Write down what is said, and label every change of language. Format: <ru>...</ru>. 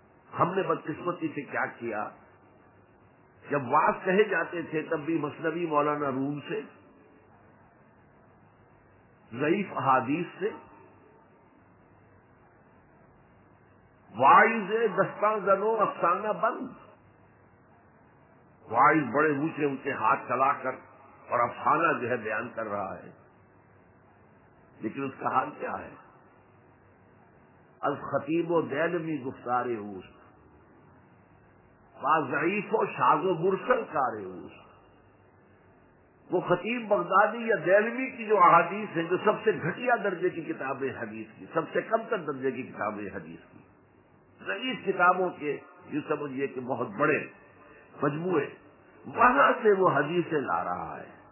<ur>ہم نے بدقسمتی سے کیا کیا, جب واعظ کہے جاتے تھے تب بھی مثنوی مولانا روم سے, ضعیف احادیث سے,</ur> <fa>واعظ دستان زنو افسانہ بند,</fa> <ur>واعظ بڑے اونچے اونچے ہاتھ چلا کر اور افسانہ جو ہے بیان کر رہا ہے. لیکن اس کا حال کیا ہے؟</ur> <fa>از خطیب و دیلمی گفتار اوست, با ضعیف و شاز و مرسل کار اوست.</fa> <ur>وہ خطیب بغدادی یا دیلمی کی جو احادیث ہیں, جو سب سے گھٹیا درجے کی کتابیں حدیث کی, سب سے کم تر درجے کی کتابیں حدیث کی, رئیس کتابوں کے یوں سمجھئے کہ بہت بڑے مجموعے, وہاں سے وہ حدیثیں لا رہا ہے.</ur>